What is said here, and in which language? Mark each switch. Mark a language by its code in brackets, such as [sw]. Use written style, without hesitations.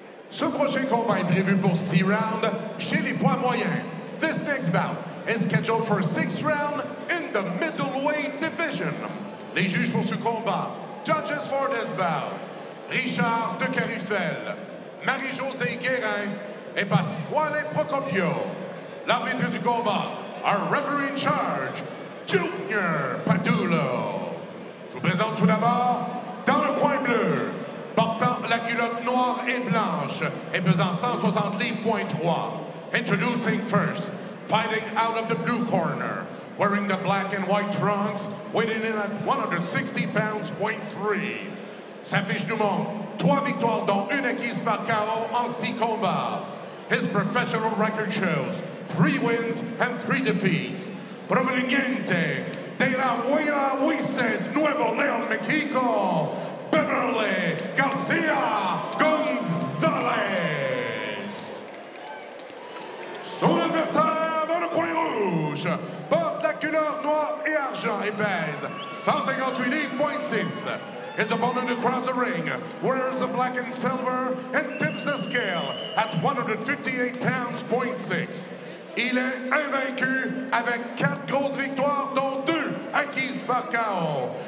[fr] Ce prochain combat est prévu pour 6 rounds chez les poids moyens. [en] This next bout is scheduled for 6 rounds in the middleweight division. [fr] Les juges pour ce combat, [en] judges for this bout, [fr] Richard de Carifel, Marie-Josée Guérin et Pasquale Procopio. L'arbitre du combat, [en] our referee in charge, [fr] Junior Padulo. Je vous présente tout d'abord dans le coin bleu. La culotte noire et blanche et pesant 160.3 livres. [en] Introducing first, fighting out of the blue corner, wearing the black and white trunks, weighing in at 160.3 pounds. [fr] Sa fiche du monde, 3 victoires dont une acquise par KO en 6 combats. [en] His professional record shows 3 wins and 3 defeats. [es] Proveniente de la Huila Huises, Nuevo León, Mexico, Beverly Garcia Gonzalez. [fr] Son adversaire dans le coin rouge porte la couleur noire et argent et pèse 158.6. [en] His opponent across the ring wears the black and silver and tips the scale at 158.6 pounds. [fr] Il est invaincu avec 4 grosses victoires, dont 2 acquises par KO.